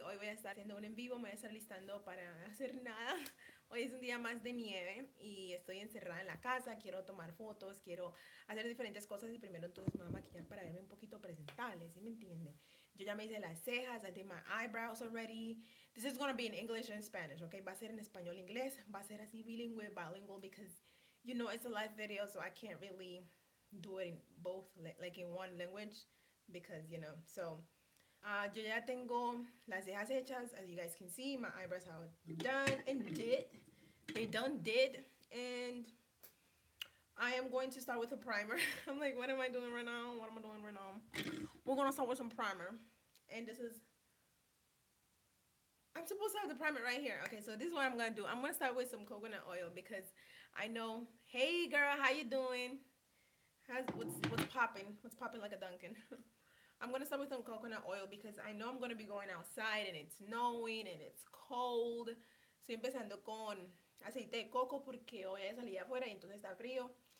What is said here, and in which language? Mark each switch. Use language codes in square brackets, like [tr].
[es] Hoy voy a estar haciendo un en vivo, me voy a estar listando para hacer nada. Hoy es un día más de nieve y estoy encerrada en la casa, quiero tomar fotos, quiero hacer diferentes cosas y primero entonces me voy a maquillar para verme un poquito presentable, ¿sí me entienden? Yo ya me hice las cejas, [en] I did my eyebrows already. This is gonna be in English and Spanish, okay? [es] Va a ser en español e inglés, va a ser así bilingüe, [en] bilingual, because you know it's a live video, so I can't really do it in both, like in one language, because you know. So, [es] yo ya tengo las cejas hechas, [en] as you guys can see, my eyebrows are done and did. They done did, and I am going to start with a primer. I'm like, what am I doing right now? What am I doing right now? We're gonna start with some primer, and this is. I'm supposed to have the primer right here. Okay, so this is what I'm gonna do. I'm gonna start with some coconut oil because I know. Hey, girl, how you doing? What's popping like a Duncan? I'm gonna start with some coconut oil because I know I'm gonna be going outside and it's snowing and it's cold. [es] Estoy empezando con aceite de coco porque hoy salí afuera y entonces está frío.